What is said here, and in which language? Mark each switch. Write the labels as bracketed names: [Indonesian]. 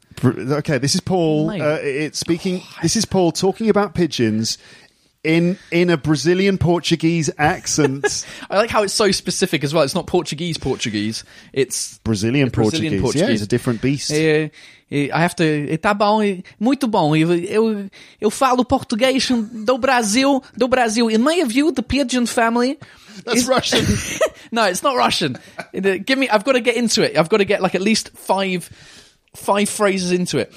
[English] Okay, this is Paul. This is Paul talking about pigeons in a Brazilian Portuguese accent. I like how it's so specific as well. It's not Portuguese Portuguese. It's Brazilian Portuguese. Portuguese. Yeah, it's a different beast. I have to... [Portuguese] Tá bom, muito bom. Eu falo português do Brasil. [English] In my view, the pigeon family... That's Russian. No, it's not Russian. I've got to get into it. I've got to get like at least five phrases into it.